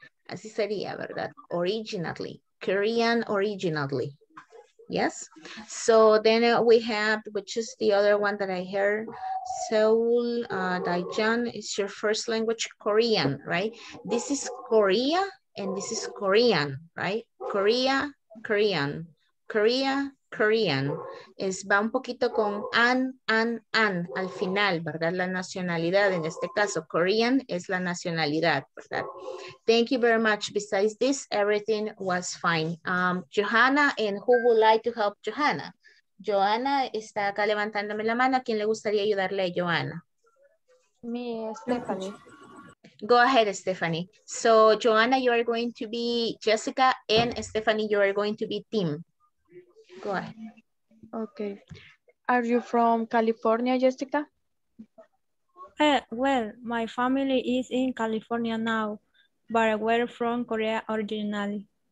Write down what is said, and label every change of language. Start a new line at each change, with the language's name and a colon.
Spanish: Así sería, ¿verdad?
English: Originally. Korean originally. Yes, so then we have, which is the other one that I heard, Seoul, Daejeon, is your first language Korean, right? This is Korea and this is Korean, right? Korea, Korean, Korea, Korean.
Spanish: Es, va un poquito con an, al final, ¿verdad? La nacionalidad, en este caso, Korean es la nacionalidad, ¿verdad?
English: Thank you very much. Besides this, everything was fine. Johanna, and who would like to help Johanna?
Spanish: Johanna está acá levantándome la mano. ¿A quién le gustaría ayudarle, Johanna?
English: Me, Stephanie. Go ahead, Stephanie. So, Johanna, you are going to be Jessica, and Stephanie, you are going to be Tim. Go ahead. Okay. Are you from California, Jessica? Well, my family is in California now, but we're from Korea originally.